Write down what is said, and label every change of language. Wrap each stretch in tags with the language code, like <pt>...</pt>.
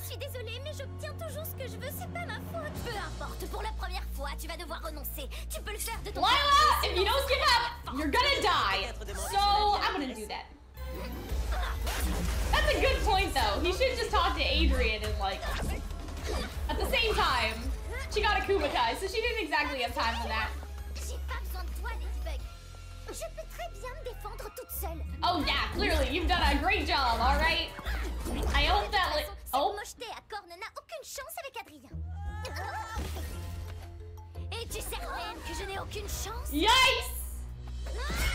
<fr>Je suis désolée, mais j'obtiens toujours ce que je veux. C'est pas ma faute. Peu importe. Pour la première fois, tu vas devoir renoncer. Tu peux le faire de ton</fr> <en>Lila, if you don't give up, you're gonna die. So, I'm gonna do that. That's a good point, though. He should just talk to Adrien and, like... At the same time, she got akumatized, so she didn't exactly have time for that.</en> <fr>J'ai pas besoin de toi, Ladybug. Je peux très bien me défendre toute seule.</fr> <en>Oh yeah, clearly you've done a great job, all right? I hope that like oh.</en> <fr>Cette mocheté à cornes n'a aucune chance avec Adrien. Et tu sais même que je n'ai aucune chance.</fr> <en>Yikes!</en>